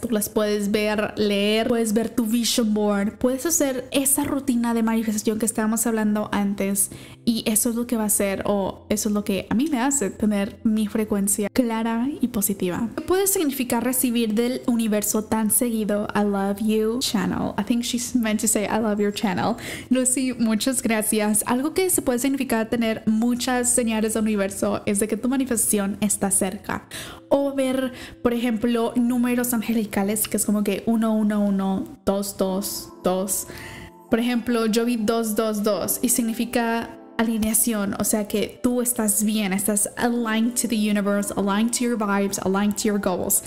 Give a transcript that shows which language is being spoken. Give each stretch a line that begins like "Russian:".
Spanish: Tú las puedes ver, leer. Puedes ver tu vision board. Puedes hacer esa rutina de manifestación que estábamos hablando antes. Y eso es lo que va a hacer, o eso es lo que a mí me hace tener mi frecuencia clara y positiva. ¿Qué puede significar recibir del universo tan seguido
English: I love you channel? I think she's meant to say I love your channel.
Spanish: Lucy, muchas gracias. Algo que se puede significar tener muchas señales del universo es de que tu manifestación está cerca. O ver, por ejemplo, números angelicales, que es como que 1-1-1-2-2-2. Por ejemplo, yo vi 2-2-2 y significa alineación, o sea que tú estás bien, estás
English: aligned to the universe, aligned to your vibes, aligned to your goals.